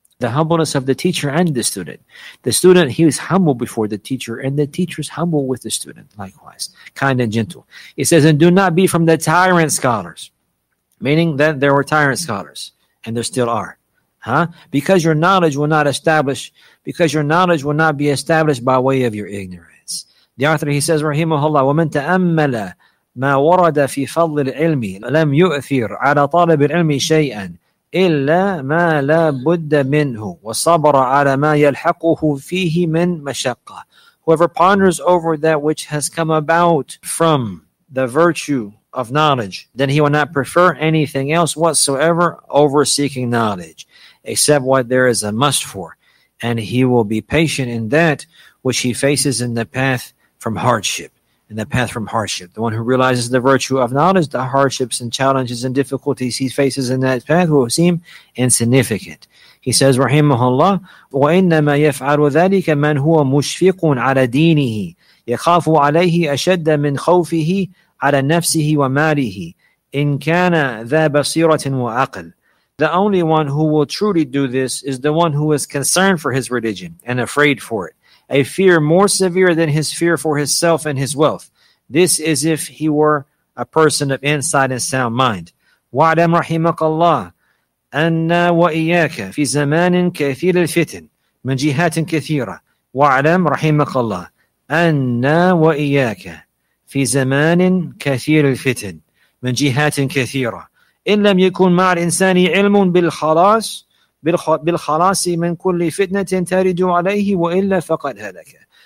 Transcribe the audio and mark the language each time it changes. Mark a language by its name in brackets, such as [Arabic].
[English] The humbleness of the teacher and the student. The student, he is humble before the teacher, and the teacher is humble with the student. Likewise, kind and gentle. It says, and do not be from the tyrant scholars. Meaning that there were tyrant scholars, and there still are. Huh? Because your knowledge will not establish, because your knowledge will not be established by way of your ignorance. The author, he says, [Arabic] rahimahullah, وَمَنْ تَأَمَّلَ مَا وَرَدَ فِي فَضْلِ الْعِلْمِ لَمْ يُؤْثِرْ عَلَى طَالِبِ الْعِلْمِ شَيْئًا إِلَّا مَا لَا بُدَّ مِنْهُ وَصَبَرَ عَلَى مَا يَلْحَقُهُ فِيهِ مِنْ مَشَقَّةٍ. [English] Whoever ponders over that which has come about from the virtue of knowledge, then he will not prefer anything else whatsoever over seeking knowledge, except what there is a must for. And he will be patient in that which he faces in the path from hardship. In the path from hardship. The one who realizes the virtue of knowledge, the hardships and challenges and difficulties he faces in that path will seem insignificant. He says, [Arabic] rahimahullah, وَإِنَّمَا يَفْعَلُ ذَلِكَ مَنْ هُوَ مُشْفِقٌ عَلَى دِينِهِ يَخَافُ عَلَيْهِ أَشَدَّ مِنْ خَوْفِهِ عَلَى نَفْسِهِ وَمَالِهِ إِنْ كَانَ ذَا بَصِيرَةٍ وَعَقْلٍ. [English] The only one who will truly do this is the one who is concerned for his religion and afraid for it. A fear more severe than his fear for himself and his wealth. This is if he were a person of insight and sound mind. [Arabic] وَعْلَمْ رَحِمَكَ اللَّهِ أَنَّا وَإِيَّاكَ فِي زَمَانٍ كَثِيرِ الْفِتِنِ مِنْ جِهَاتٍ كَثِيرَةٍ وَعْلَمْ رَحِمَكَ اللَّهِ أَنَّا وَإِيَّاكَ فِي زَمَانٍ كَثِيرِ الْفِتِنِ مِنْ جِهَاتٍ كَثِيرَةٍ إِنْ لَمْ يَكُنْ مَعَ الْإِنسَانِ عِلْمٌ بِالْخَلَاصِ بِالْخَلَاصِ مِنْ كُلِّ فِتْنَةٍ تَرِدُ عَلَيْهِ وَإِلَّا فَقَدْ هَلَكَ.